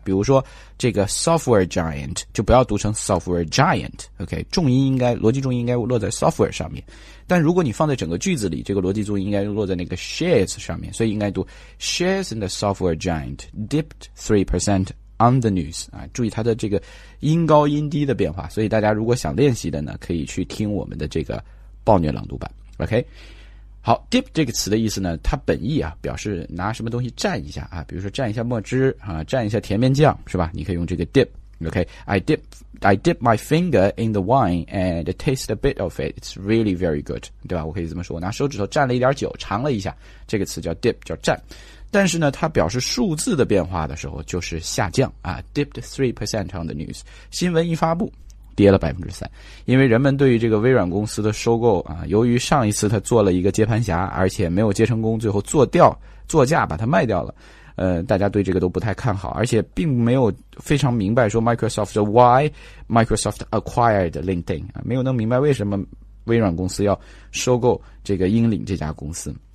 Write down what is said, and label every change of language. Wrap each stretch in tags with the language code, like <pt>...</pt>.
<zh>比如说这个 software giant 就不要读成 software giant， OK， 重音应该逻辑重音应该落在 software 上面，但如果你放在整个句子里，这个逻辑重音应该落在那个 shares 上面，所以应该读</zh> <en>shares in the software giant dipped 3%on the news</en> <zh>啊，注意它的这个音高音低的变化。所以大家如果想练习的呢，可以去听我们的这个暴虐朗读版。 OK， 好 ，dip 这个词的意思呢，它本意啊表示拿什么东西蘸一下啊，比如说蘸一下墨汁啊，蘸一下甜面酱是吧？你可以用这个 dip。</zh> <en>OK， I dip my finger in the wine and taste a bit of it. It's really very good，</en> <zh>对吧？我可以这么说，我拿手指头蘸了一点酒，尝了一下，这个词叫 dip， 叫蘸。但是呢它表示数字的变化的时候就是下降啊 ,</zh> <en>dipped 3% on the news,</en> <zh>新闻一发布跌了 3%, 因为人们对于这个微软公司的收购啊，由于上一次他做了一个接盘侠而且没有接成功，最后作价把它卖掉了，大家对这个都不太看好，而且并没有非常明白说</zh> <en>Microsoft why Microsoft acquired LinkedIn,</en> <zh>啊，没有能明白为什么微软公司要收购这个英领这家公司。</zh>